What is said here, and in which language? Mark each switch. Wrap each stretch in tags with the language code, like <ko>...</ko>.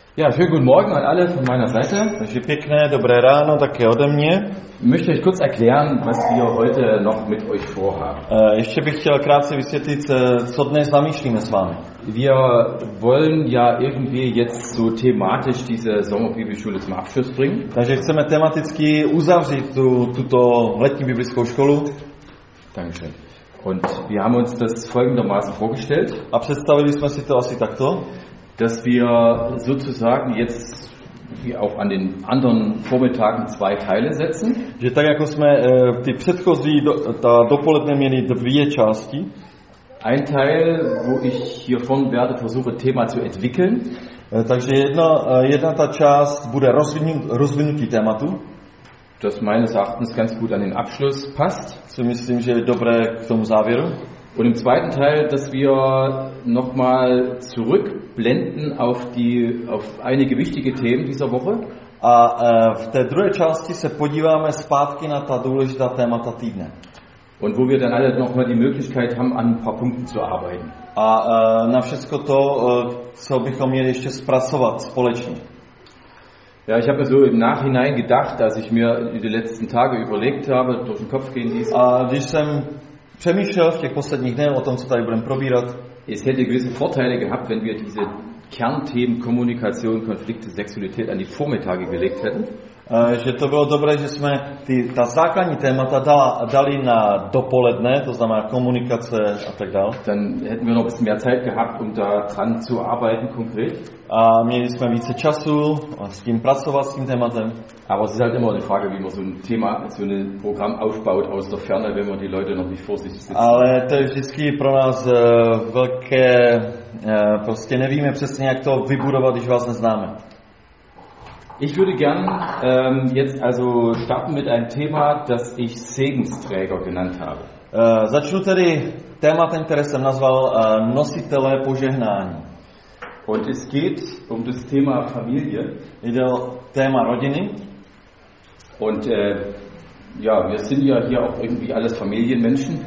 <de>Ja, schönen guten Morgen an alle von meiner Seite.</de> <cs>Takže pěkné, dobré ráno, také ode mě.</cs> <de>Möchte euch kurz erklären, was wir heute noch mit euch vorhaben.</de> <cs>Ještě bych chtěl krátce vysvětlit, co dnes zamýšlíme s vámi.</cs> <de>Wir wollen ja irgendwie jetzt so thematisch diese Sommerbibelschule zum Abschluss bringen.</de> <cs>Takže chceme tematicky uzavřít tuto letní biblickou školu.</cs> <de>Dankeschön. Und wir haben uns das folgendermaßen vorgestellt.</de> <cs>A představili jsme si to asi takto.</cs> <de>Dass wir sozusagen jetzt wie auch an den anderen Vormittagen zwei Teile setzen.</de> <cs>Že tak jako jsme ty předchozí ta dopoledne měli dvě části.</cs> <de>Ein Teil, wo ich hier vorne werde versuche Thema zu entwickeln.</de> <cs>Takže jedna ta část bude rozvinutí tématu.</cs> <de>Das meines Erachtens ganz gut an den Abschluss passt.</de> <cs>Co myslím, že je dobré k tomu závěru.</cs> <de>Und im zweiten Teil, dass wir nochmal zurückblenden auf einige wichtige Themen dieser Woche.</de> <cs>A v té druhé části se podíváme zpátky na ta důležitá témata týdne.</cs> <de>Und wo wir dann alle nochmal die Möglichkeit haben, an ein paar Punkten zu arbeiten.</de> <cs>A na všecko to, co bychom měli ještě zpracovat společně.</cs> <de>Ja, ich habe mir so im Nachhinein gedacht, dass ich mir die letzten Tage überlegt habe, durch den Kopf gehen ließ.</de> <cs>A když jsem přemýšlel v těch posledních dnech o tom, co tady budeme probírat.</cs> <de>Es hätte gewisse Vorteile gehabt, wenn wir diese Kernthemen Kommunikation, Konflikte, Sexualität an die Vormittage gelegt hätten.</de> <cs>Že to bylo dobré, že jsme ta základní témata dali na dopoledne, to znamená komunikace a tak dál.</cs> <de>Dann hätten wir noch ein bisschen mehr Zeit gehabt, um da dran zu arbeiten konkret.</de> <cs>A měli jsme více času s tím pracovat, s tím tématem.</cs> <de>Aber es ist halt immer eine Frage, wie man so ein Thema, so ein Programm aufbaut aus der Ferne, wenn man die Leute noch nicht vor sich sitzen.</de> <cs>Ale to je vždycky pro nás velké, prostě nevíme přesně, jak to vybudovat, když vás neznáme.</cs> <de>Ich würde gern jetzt also starten mit einem Thema, das ich Segensträger genannt habe.</de> <cs>Začnu tedy tématem, které jsem nazval nositelé požehnání.</cs> <de>Und es geht um das Thema Familie.</de> <cs>Jde o téma rodiny.</cs> <de>Und ja, wir sind ja hier auch irgendwie alles Familienmenschen.</de>